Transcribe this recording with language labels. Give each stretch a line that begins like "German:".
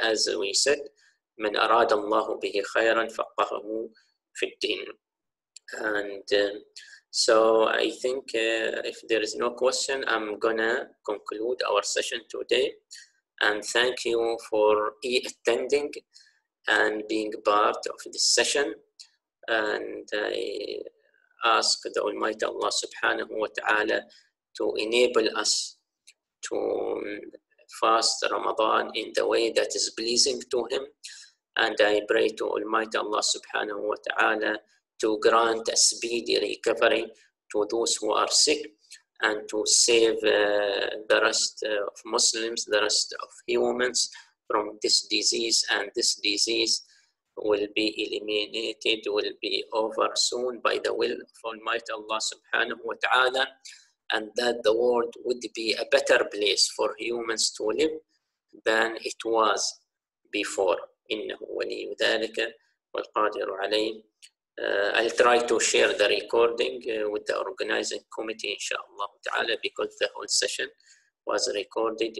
English: As we said,
Arabic: من أراد الله به خيرا فقهه في الدين.
English: And so I think if there is no question, I'm gonna conclude our session today. And thank you for attending and being part of this session. And I ask the Almighty Allah subhanahu wa ta'ala to enable us to fast Ramadan in the way that is pleasing to Him. And I pray to Almighty Allah subhanahu wa ta'ala to grant a speedy recovery to those who are sick, and to save the rest of Muslims, the rest of humans from this disease. And this disease will be eliminated, will be over soon by the will of Almighty Allah subhanahu wa ta'ala, and that the world would be a better place for humans to live than it was before.
Arabic: إنه ولي ذلك والقادر عليه.
English: I'll try to share the recording with the organizing committee, inshallah ta'ala, because the whole session was recorded.